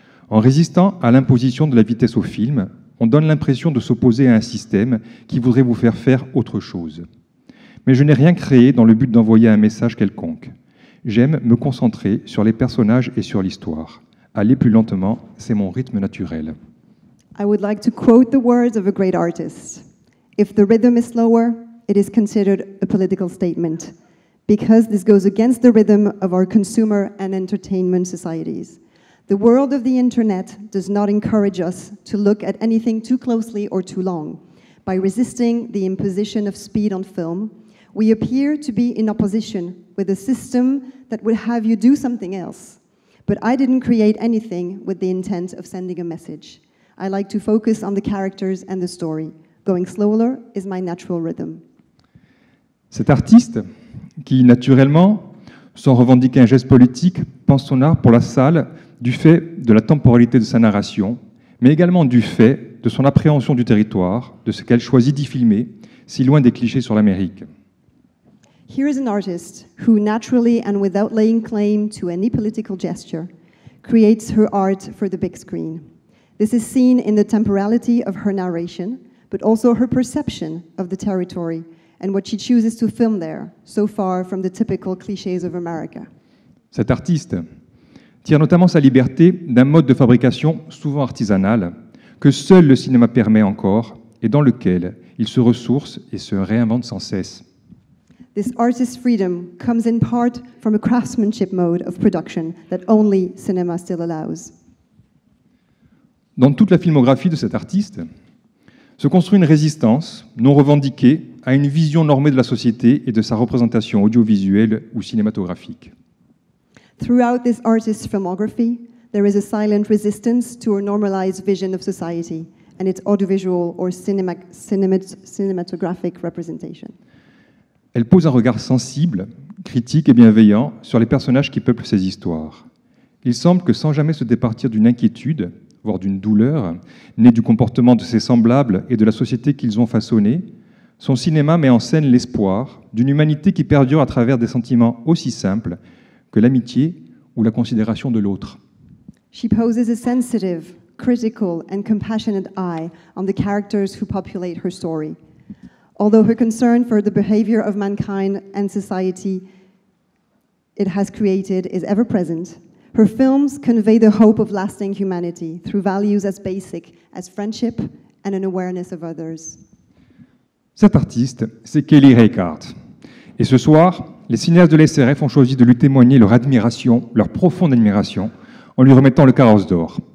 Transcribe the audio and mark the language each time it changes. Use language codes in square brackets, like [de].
[fr] En résistant à l'imposition de la vitesse au film, on donne l'impression de s'opposer à un système qui voudrait vous faire faire autre chose. Mais je n'ai rien créé dans le but d'envoyer un message quelconque. J'aime me concentrer sur les personnages et sur l'histoire. Aller plus lentement, c'est mon rythme naturel. [en] I would like to quote the words of a great artist. If the rhythm is slower, it is considered a political statement, because this goes against the rhythm of our consumer and entertainment societies. The world of the internet does not encourage us to look at anything too closely or too long. By resisting the imposition of speed on film, we appear to be in opposition with a system that would have you do something else. But I didn't create anything with the intent of sending a message. I like to focus on the characters and the story. Going slower is my natural rhythm. [fr] Cet artiste, qui naturellement, sans revendiquer un geste politique, pense son art pour la salle du fait de la temporalité de sa narration, mais également du fait de son appréhension du territoire, de ce qu'elle choisit d'y filmer, si loin des clichés sur l'Amérique. [en] Here is an artist who naturally and without laying claim to any political gesture creates her art for the big screen. This is seen in the temporality of her narration, but also her perception of the territory and what she chooses to film there, so far from the typical clichés of America. [fr] Cet artiste tire notamment sa liberté d'un mode de fabrication souvent artisanal que seul le cinéma permet encore et dans lequel il se ressource et se réinvente sans cesse. [en] This artist's freedom comes in part from a craftsmanship mode of production that only cinema still allows. [fr] Dans toute la filmographie de cet artiste, se construit une résistance non revendiquée à une vision normée de la société et de sa représentation audiovisuelle ou cinématographique. [en] Throughout this artist's filmography, there is a silent resistance to a normalized vision of society and its audiovisual or cinematographic representation. [fr] Elle pose un regard sensible, critique et bienveillant sur les personnages qui peuplent ces histoires. Il semble que sans jamais se départir d'une inquiétude, voire d'une douleur, née du comportement de ses semblables et de la société qu'ils ont façonnée, son cinéma met en scène l'espoir d'une humanité qui perdure à travers des sentiments aussi simples que l'amitié ou la considération de l'autre. [en] She poses a sensitive, critical and compassionate eye on the characters who populate her story. Although her concern for the behavior of mankind and society it has created is ever present, her films convey the hope of lasting humanity through values as basic as friendship and an awareness of others. [fr] Cet artiste, c'est Kelly Reichardt. Et ce soir, les cinéastes de l'SRF ont choisi de lui témoigner leur admiration, leur profonde admiration, en lui remettant le carrosse d'or.